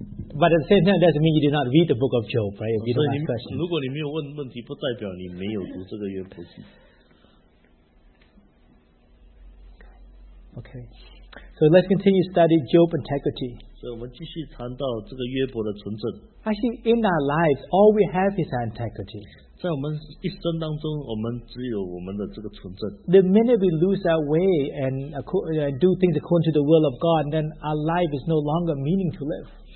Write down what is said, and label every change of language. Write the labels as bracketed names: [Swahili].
[English] But at the same time, doesn't mean you do not read the book of Job, right? If you don't ask questions. [Chinese] 如果你没有问问题，不代表你没有读这个约伯记。 [English] Okay. So let's continue study Job integrity. [Chinese] 所以我们继续谈到这个约伯的纯正。 [English] Actually, in our lives, all we have is our integrity. [Chinese] 在我们一生当中，我们只有我们的这个纯正。 [English] The minute we lose our way and do things according to the will of God, then our life is no longer meaning to live.